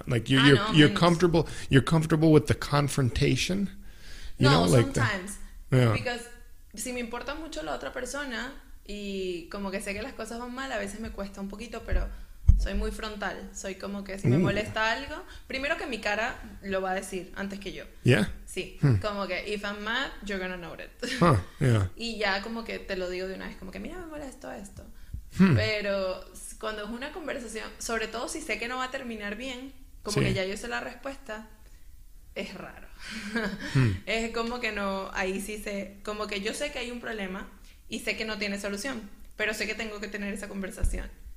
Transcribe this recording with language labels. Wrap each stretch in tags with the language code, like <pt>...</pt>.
<en>Like you're comfortable. You're comfortable with the confrontation. You no, know, sometimes. Like the, yeah. Because</en> <es>si me importa mucho la otra persona... Y como que sé que las cosas van mal, a veces me cuesta un poquito, pero Soy muy frontal. Soy como que si me molesta algo, primero que mi cara lo va a decir antes que yo.</es> <en>Yeah.</en> <es>Sí. Como que</es> <en>if I'm mad, you're gonna know it. Yeah.</en> <es>Y ya como que te lo digo de una vez, como que mira, me molesto esto. Pero cuando es una conversación, sobre todo si sé que no va a terminar bien, como que ya yo sé la respuesta, es raro. Es como que no, ahí sí sé, como que yo sé que hay un problema y sé que no tiene solución, pero sé que tengo que tener esa conversación.</es>